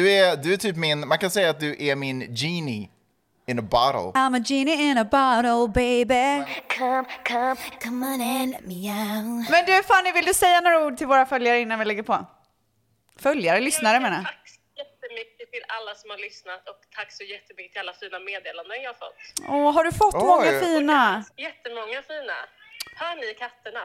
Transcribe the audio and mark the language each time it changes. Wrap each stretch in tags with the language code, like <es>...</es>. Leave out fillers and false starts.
<sv>Du är typ min, man kan säga att du är min</sv> <en>genie in a bottle. I'm a genie in a bottle, baby. Come on in, meow.</en> <sv>Men du Fanny, vill du säga några ord till våra följare innan vi lägger på? Följare, lyssnare menar. Tack så jättemycket till alla som har lyssnat och tack så jättemycket till alla fina meddelanden jag har fått. Åh, har du fått många fina? Jättemånga fina. Hör ni katterna?</sv>